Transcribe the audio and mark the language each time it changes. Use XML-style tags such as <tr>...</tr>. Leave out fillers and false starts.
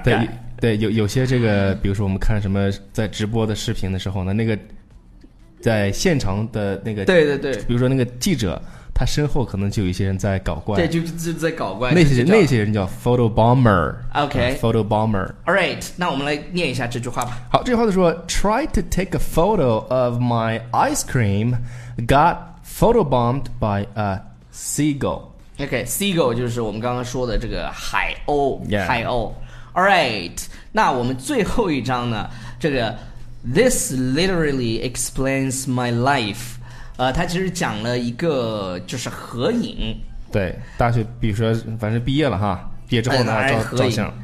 <zh>对对，有些这个比如说我们看什么在直播的视频的时候呢，那个在现场的那个，对对对，比如说那个记者他身后可能就有一些人在搞怪，对，就在搞怪。那些人叫 photo bomber， OK， photo bomber。</zh> <en>All right，</en> <zh>那我们来念一下这句话吧。好，这句话就说</zh> <en>，try to take a photo of my ice cream， got photo bombed by a seagull。</en> <zh>OK， seagull 就是我们刚刚说的这个海鸥，</zh> <en>yeah.</en> <zh>海鸥。</zh> <en>All right，</en> <zh>那我们最后一章呢？这个</zh> <en>this literally explains my life。</en> <zh>他其实讲了一个就是合影，对，大学比如说反正毕业了哈，毕业之后呢照相，</zh>